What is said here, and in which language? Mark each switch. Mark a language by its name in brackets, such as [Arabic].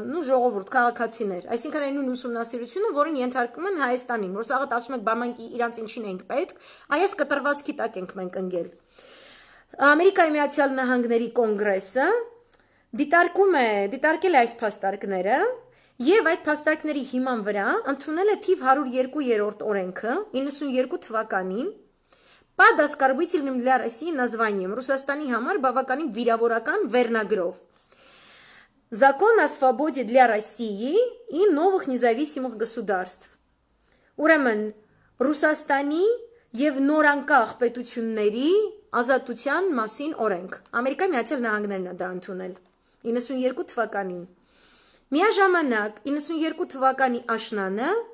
[Armenian] ժողովուրդ, քաղաքացիներ։ Այսինքն այն նույն ուսումնասիրությունը, որին ենթարկվում են Հայաստանին, որ սաղը ասում եք, բամանք իրանց ինչին ենք պետք, այս կտրվածքի տակ ենք մենք ընկել։ Ամերիկայի Միացյալ Նահանգների կոնգրեսը դիտարկել է այս փաստարկները, և այդ փաստարկների հիման վրա ընդունել է թիվ 102-րդ օրենքը 92 թվականին, [Russian] «Պադասկարբույցիլնիմ դլյա Ռոսիի նազվանիեմ», [Armenian] Ռուսաստանի համար բավականին վիրավորական վերնագրով. [Russian] «Закон о свободе для России и новых независимых государств». [Armenian] Ուրեմն, Ռուսաստանի և նորանկախ պետությունների ազատության մասին օրենք։ Ամերիկայի Միացյալ Նահանգներն է դա ընդունել 92 թվականին։ Միաժամանակ 92 թվականի աշնանը